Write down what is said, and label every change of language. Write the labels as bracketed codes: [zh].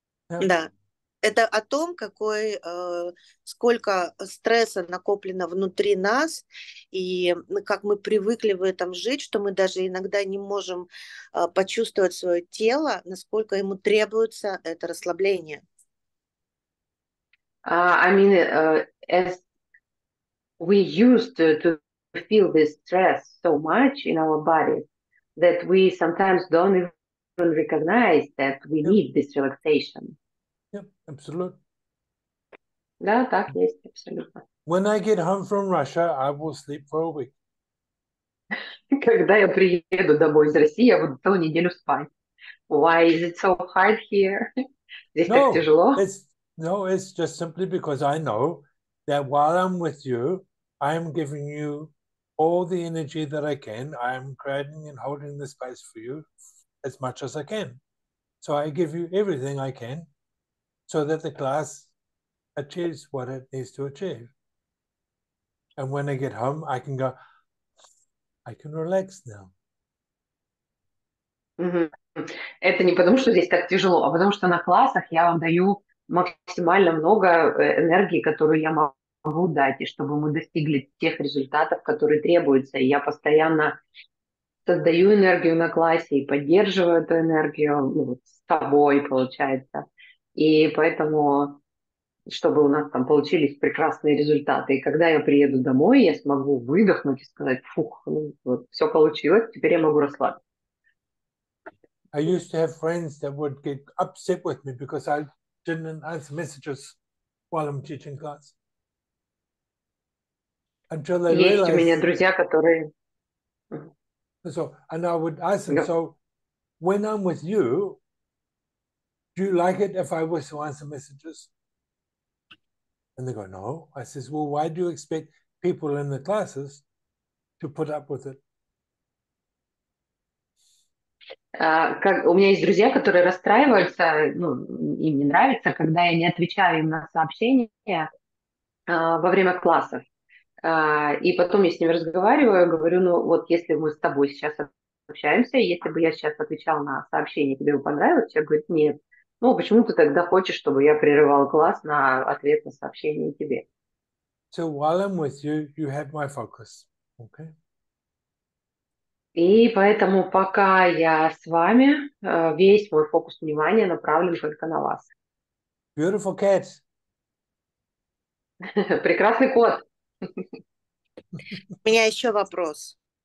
[ru] Да, это о том, какой, сколько стресса накоплено внутри нас, и как мы привыкли в этом жить, что мы даже иногда не можем почувствовать свое тело, насколько ему требуется это расслабление. [en] I mean, as we used to feel this stress so much in our body, that we sometimes don't even recognize that we need this relaxation. Yep, absolutely. [ru] Да, так есть, абсолютно. [en] When I get home from Russia, I will sleep for a week. [ru] Когда я приеду домой из России, я буду целую неделю спать. [en] Why is it so hard here? [ru] Здесь так тяжело? [en] No, it's just simply because I know that while I'm with you, I'm giving you all the energy that I can. I'm creating and holding the space for you as much as I can. So I give you everything I can, so that the class achieves what it needs to achieve. And when I get home, I can go, I can relax now. [ru] Это не потому, что здесь так тяжело, а потому что на классах я вам даю максимально много энергии, которую я могу дать, и чтобы мы достигли тех результатов, которые требуются. И я постоянно создаю энергию на классе и поддерживаю эту энергию, ну, с тобой, получается. И поэтому, чтобы у нас там получились прекрасные результаты. И когда я приеду домой, я смогу выдохнуть и сказать, фух, ну, вот, все получилось, теперь я могу расслабиться. [en] I used to have friends that would get upset with me because I didn't answer messages while I'm teaching class. Until they [ru] Есть [en] realized... [ru] у меня друзья, которые... [en] So, and I would ask them, so when I'm with you, do you like it if I was to answer messages? And they go, no. I says, well, why do you expect people in the classes to put up with it? [ru] Как, у меня есть друзья, которые расстраиваются, ну, им не нравится, когда я не отвечаю им на сообщения во время классов. И потом я с ними разговариваю, говорю, ну вот если мы с тобой сейчас общаемся, если бы я сейчас отвечал на сообщение, тебе бы понравилось, человек говорит, нет. Ну, почему ты тогда хочешь, чтобы я прерывал класс на ответ на сообщение тебе? [en] So while I'm with you, you have my focus, okay? [ru] И поэтому пока я с вами, весь мой фокус внимания направлен только на вас. [en] Beautiful cat. [ru] Прекрасный кот. У меня еще вопрос.